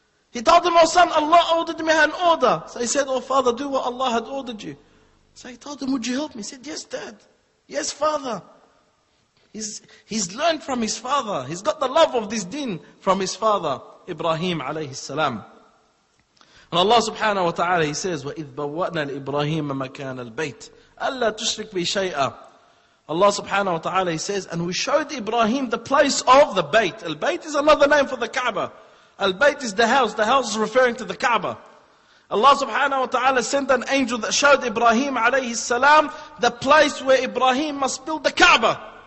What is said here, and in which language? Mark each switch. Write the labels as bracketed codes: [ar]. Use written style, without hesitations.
[en] He told him, oh son, Allah ordered me an order. So he said, oh father, do what Allah had ordered you. So he told him, would you help me? He said, yes dad, yes father. He's learned from his father. He's got the love of this deen from his father, Ibrahim alayhi salam. And Allah subhanahu wa ta'ala, he says, [ar] وَإِذْ بَوَّأْنَا لِإِبْرَاهِيمَ مَكَانَ الْبَيْتِ أَلَّا تُشْرِكْ بِي شَيْئًا. [en] Allah subhanahu wa ta'ala, he says, and we showed Ibrahim the place of the bayt. Al-bayt is another name for the Kaaba. Al-bayt is the house. The house is referring to the Kaaba. Allah subhanahu wa ta'ala sent an angel that showed Ibrahim alayhi salam the place where Ibrahim must build the Kaaba.